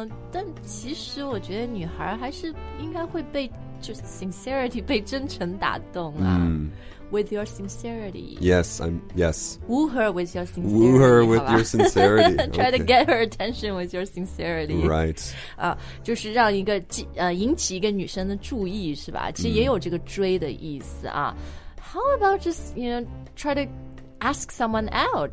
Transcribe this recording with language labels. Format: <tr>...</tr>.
<zh>但其实我觉得女孩还是应该会被就是 sincerity 被真诚打动啊、</zh> <en>With your sincerity. Yes, I'm, yes. Woo her with your sincerity. Woo her with your sincerity. Try、to get her attention with your sincerity. Right.、</en> <zh>就是让一个、引起一个女生的注意是吧其实也有这个追的意思啊。</zh> <en>How about just, you know, try to ask someone out?</en>